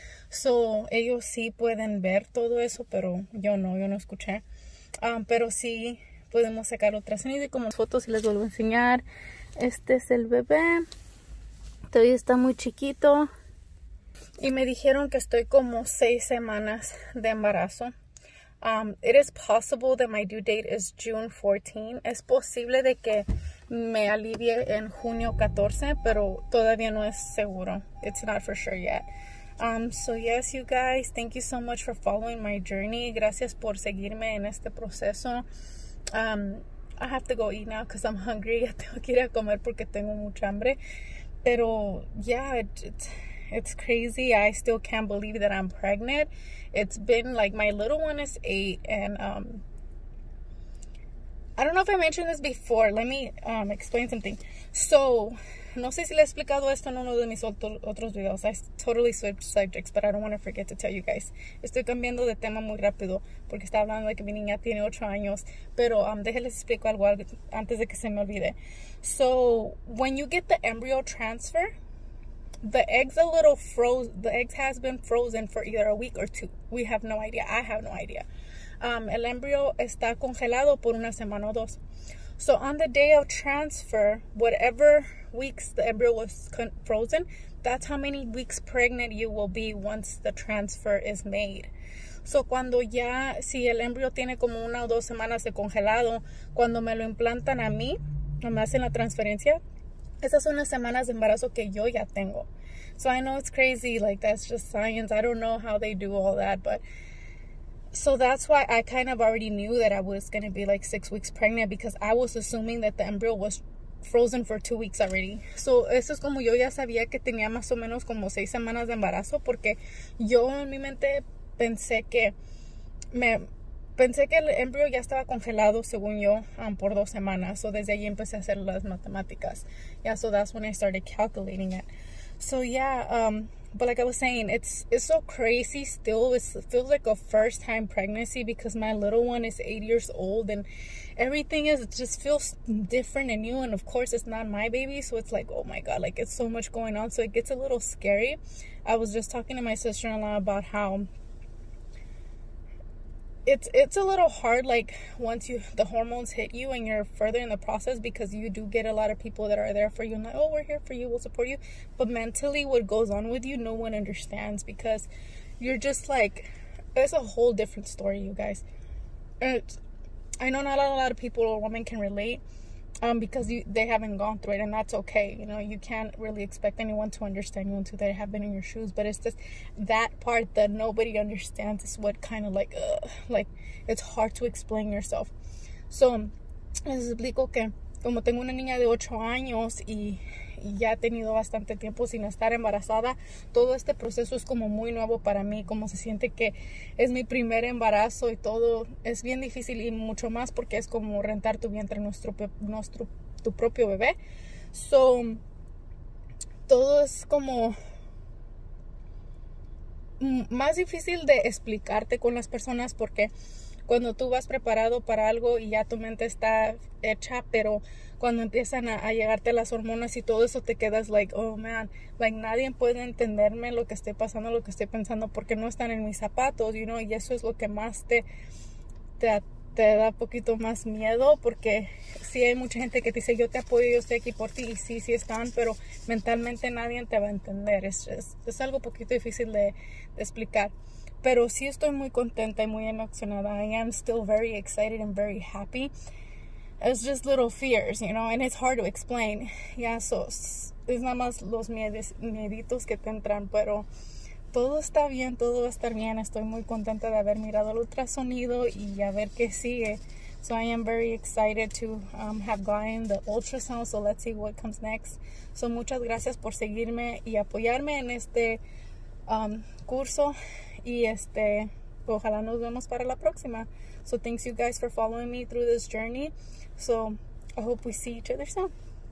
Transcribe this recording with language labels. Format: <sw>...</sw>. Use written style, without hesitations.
<es>So, ellos sí pueden ver todo eso, pero yo no escuché. Pero sí podemos sacar ultrasonido, y como fotos y les vuelvo a enseñar. Este es el bebé. Todavía está muy chiquito. Y me dijeron que estoy como 6 semanas de embarazo.</es> <en>It is possible that my due date is June 14.</en> <es>Es posible de que me alivie en junio 14, pero todavía no es seguro.</es> <en>It's not for sure yet. So yes, you guys, thank you so much for following my journey.</en> <es>Gracias por seguirme en este proceso.</es> <en>I have to go eat now because I'm hungry.</en> <es>Ya tengo que ir a comer porque tengo mucha hambre.</es> <en>Pero, yeah, it's crazy. I still can't believe that I'm pregnant. It's been, like, my little one is 8. And I don't know if I mentioned this before. Let me explain something.</en> <es>So, no sé si le he explicado esto en uno de mis otros videos.</es> <en>I totally switched subjects, but I don't want to forget to tell you guys.</en> <es>Estoy cambiando de tema muy rápido porque está hablando de que mi niña tiene 8 años. Pero déjeles explico algo antes de que se me olvide.</es> <en>So, when you get the embryo transfer, the egg's a little frozen. The egg has been frozen for either a week or 2. We have no idea. I have no idea.</en> <es>El embryo está congelado por una semana o dos.</es> <en>So, on the day of transfer, whatever weeks the embryo was frozen, that's how many weeks pregnant you will be once the transfer is made.</en> <es>So, cuando ya, si el embryo tiene como una o dos semanas de congelado, cuando me lo implantan a mí, me hacen la transferencia, esas son las semanas de embarazo que yo ya tengo.</es> <en>So, I know it's crazy, like, that's just science. I don't know how they do all that, but... So that's why I kind of already knew that I was going to be like 6 weeks pregnant, because I was assuming that the embryo was frozen for 2 weeks already.</en> <es>So eso es como yo ya sabía que tenía más o menos como 6 semanas de embarazo, porque yo en mi mente pensé que el embryo ya estaba congelado, según yo, por 2 semanas. So desde allí empecé a hacer las matemáticas.</es> <en>Yeah, so that's when I started calculating it. So yeah, but like I was saying, it's so crazy still. It feels like a first time pregnancy because my little one is 8 years old and everything is just feels different and new. And of course, it's not my baby. So it's like, oh my God, like it's so much going on. So it gets a little scary. I was just talking to my sister-in-law about how it's a little hard, like once the hormones hit you and you're further in the process, because you do get a lot of people that are there for you and like, oh, we're here for you, we'll support you, but mentally what goes on with you, no one understands, because you're just like, it's a whole different story, you guys. I know not a lot of people or women can relate, because they haven't gone through it, and that's okay. You know, you can't really expect anyone to understand you until they have been in your shoes. But it's just that part that nobody understands is what kind of like, ugh, like it's hard to explain yourself. So,</en> <es>les explico que como tengo una niña de 8 años y ya he tenido bastante tiempo sin estar embarazada, todo este proceso es como muy nuevo para mí, como se siente que es mi primer embarazo y todo, es bien difícil y mucho más porque es como rentar tu vientre, tu propio bebé. So, todo es como más difícil de explicarte con las personas porque cuando tú vas preparado para algo y ya tu mente está hecha, pero cuando empiezan a llegarte las hormonas y todo eso, te quedas</es> <en>like, oh man, like</en> <es>nadie puede entenderme lo que estoy pasando, lo que estoy pensando, porque no están en mis zapatos,</es> <en>you know,</en> <es>y eso es lo que más te da poquito más miedo, porque sí hay mucha gente que te dice, yo te apoyo, yo estoy aquí por ti, y sí, sí están, pero mentalmente nadie te va a entender, es algo poquito difícil de explicar. Pero sí estoy muy contenta y muy emocionada.</es> <en>I am still very excited and very happy. It's just little fears, you know, and it's hard to explain.</en> <es>Yeah, so es nada más los mieditos que te entran, pero todo está bien, todo va a estar bien. Estoy muy contenta de haber mirado el ultrasonido y a ver qué sigue.</es> <en>So I am very excited to have gotten the ultrasound, so let's see what comes next.</en> <es>So muchas gracias por seguirme y apoyarme en este curso. Y ojalá nos vemos para la próxima.</es> <en>So thanks you guys for following me through this journey. So I hope we see each other soon.</en>